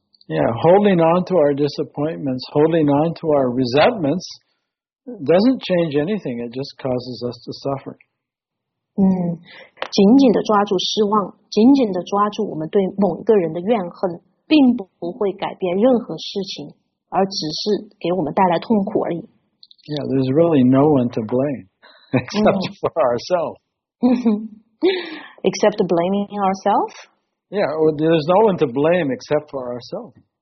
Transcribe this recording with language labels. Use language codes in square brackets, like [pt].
[en] Yeah, holding on to our disappointments, holding on to our resentments doesn't change anything, it just causes us to suffer. [zh] 紧紧的抓住失望，紧紧的抓住我们对某一个人的怨恨，并不会改变任何事情，而只是给我们带来痛苦而已。 [en] Yeah, there's really no one to blame. Except for ourselves. Except blaming ourselves? Yeah, well, there's no one to blame except for ourselves.